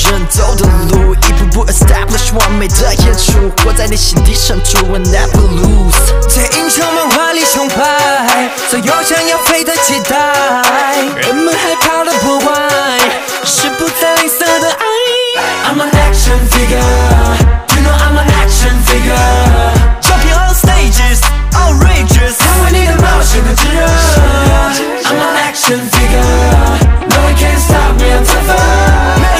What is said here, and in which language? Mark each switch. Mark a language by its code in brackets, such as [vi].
[zh] 走的路 一步步 establish 完美的演出活在你心底深处 [en] We'll never lose [zh] 借英雄们华丽崇拜 所有想要飞的期待 人们害怕的破坏 是不再吝啬的爱 [en] I'm an action figure You know I'm an action figure Jumping on stages Outrageous [zh] 成为你的冒险的炙热 [en] I'm an action figure No one can stop me I'm tougher